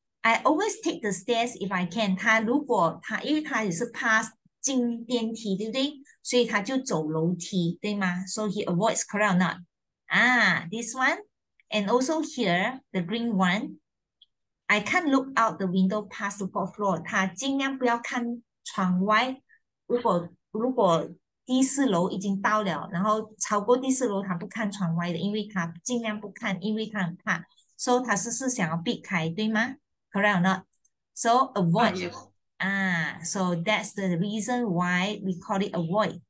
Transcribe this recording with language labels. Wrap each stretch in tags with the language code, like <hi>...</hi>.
<en>I always take the stairs if I can.</en> <zh>他如果他因为他也是 pass 进电梯，对不对？所以他就走楼梯，对吗？</zh> <en>So he avoids, correct or not? This one. And also here, the green one, I can't look out the window past the fourth floor.</en> <zh>他尽量不要看窗外。如果第四楼已经到了, 然后超过第四楼他不看窗外的, 因为他尽量不看, 因为他很怕。 So 他是想要避开, 对吗?</zh> <en>Correct or not? So avoid. Yes. So that's the reason why we call it avoid.</en>